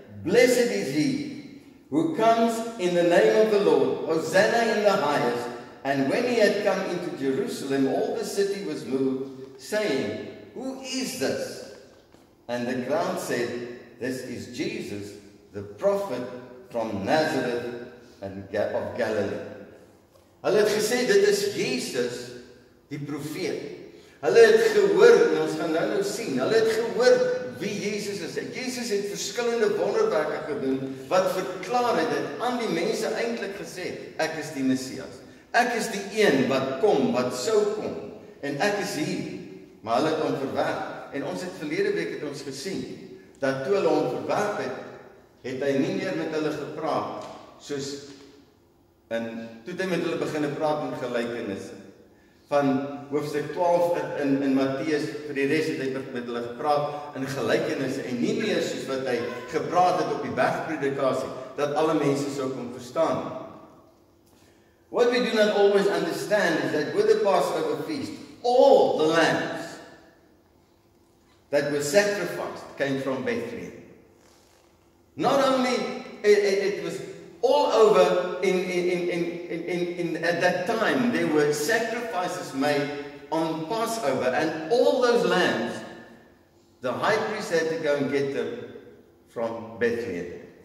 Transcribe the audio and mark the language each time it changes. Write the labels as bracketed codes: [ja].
[en] Blessed is he who comes in the name of the Lord. Hosanna in the highest. And when he had come into Jerusalem, all the city was moved, saying, Who is this? And the crowd said, This is Jesus, the prophet from Nazareth and of Galilee. [af] Hulle het gesê, dit is Jesus, die profeet. Hulle het gehoor, en ons gaan nou sien, hulle het gehoor wie Jesus is. Jesus het verskillende wonderwerke gedoen, wat verklaar het, het aan die mense eintlik gesê, ek is die Messias. Ek is die een wat kom, wat sou kom. En ek is hier. Maar hulle het hom verwerp. En ons het verlede week het ons gesien, dat toe hulle hom verwerp het, het hy nie meer met hulle gepraat, soos, en toe het hy met hulle beginne praat in gelykenisse. Van hoofstuk 12 in Matteus, vir die rest het hy met hulle gepraat in gelykenisse, en nie meer soos wat hy gepraat het op die bergpredikasie, dat alle mense sou kon verstaan. [en] What we do not always understand is that with the Passover feast, all the lambs that were sacrificed came from Bethlehem. Not only it was all over in at that time there were sacrifices made on Passover, and all those lambs, the high priest had to go and get them from Bethlehem.